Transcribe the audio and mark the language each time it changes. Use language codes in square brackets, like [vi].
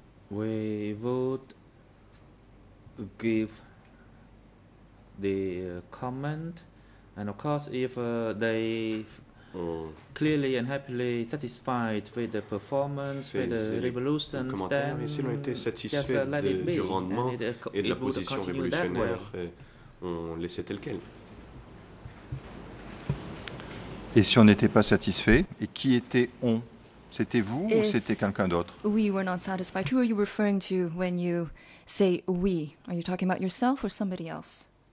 [en] We would give the comment, and of course, if they clearly and happily satisfied with the performance, with the revolution, then [fr] si on était satisfait [en] just let it be. [fr] Du rendement et de la position révolutionnaire, on laissait tel quel. Et si on n'était pas satisfait, et qui était on? C'était vous ou c'était quelqu'un d'autre? [en] We were not satisfied. Who are you referring to when you say we? Are you talking about yourself or somebody else?